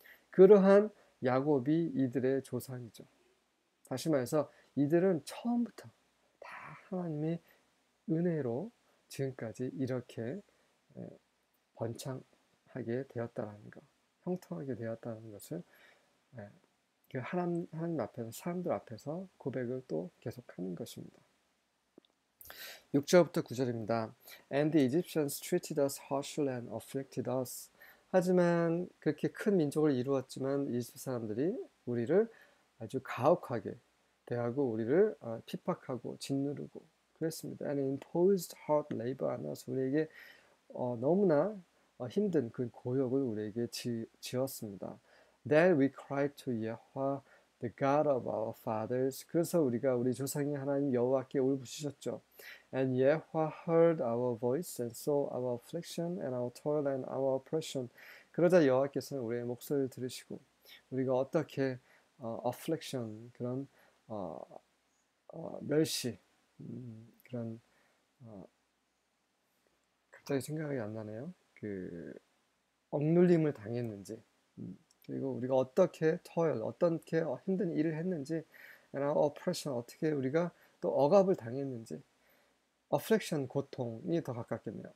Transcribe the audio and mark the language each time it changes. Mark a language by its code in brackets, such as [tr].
[ko] 그러한 야곱이 이들의 조상이죠. 다시 말해서 이들은 처음부터 다 하나님의 은혜로 지금까지 이렇게 번창하게 되었다라는 것, 형통하게 되었다는 것을 그 하나님 앞에서 사람들 앞에서 고백을 또 계속하는 것입니다. 6절부터 9절입니다. [en] And the Egyptians treated us harshly and afflicted us. [ko] 하지만 그렇게 큰 민족을 이루었지만 이집트 사람들이 우리를 아주 가혹하게 대하고 우리를 핍박하고 짓누르고 그랬습니다. [en] And imposed hard labor on us. [ko] 우리에게 너무나 힘든 그 고역을 우리에게 지었습니다. [en] Then we cried to Yahweh, the God of our fathers. [ko] 그래서 우리가 우리 조상의 하나님 여호와께 울부짖었죠. [en] And Yahweh heard our voice and saw our affliction and our toil and our oppression. [ko] 그러자 여호와께서는 우리의 목소리를 들으시고 우리가 어떻게 affliction 그런 멸시 그런 갑자기 생각이 안 나네요. 그 억눌림을 당했는지 그리고 우리가 어떻게 토열 어떻게 힘든 일을 했는지 [en] and our oppression [ko] 어떻게 우리가 또 억압을 당했는지 affliction 고통이 더 가깝겠네요.